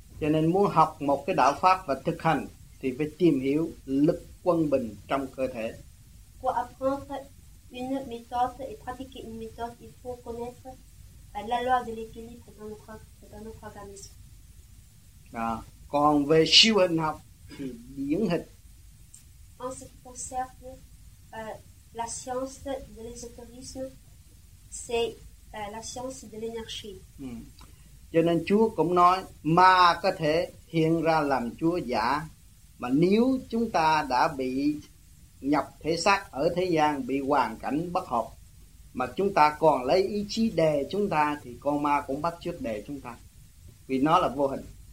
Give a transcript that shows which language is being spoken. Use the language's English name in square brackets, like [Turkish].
[Vietnamese] Cho nên muốn học một cái đạo pháp và thực hành thì phải tìm hiểu lực quân bình trong cơ thể. [French] Pour apprendre une méthode et pratiquer une méthode, il faut connaître la loi de l'équilibre dans notre organisme. [Vietnamese] À, còn về siêu hình học thì điển hình. [French] En ce qui concerne la science de l'ésotérisme, c'est la science de l'énergie. [Vietnamese] Cho nên Chúa cũng nói ma có thể hiện ra làm Chúa giả. Mà nếu chúng ta đã bị nhập thể xác ở thế gian, bị hoàn cảnh bất hợp, mà chúng ta còn lấy ý chí đè chúng ta, thì con ma cũng bắt chước đè chúng ta, vì nó là vô hình.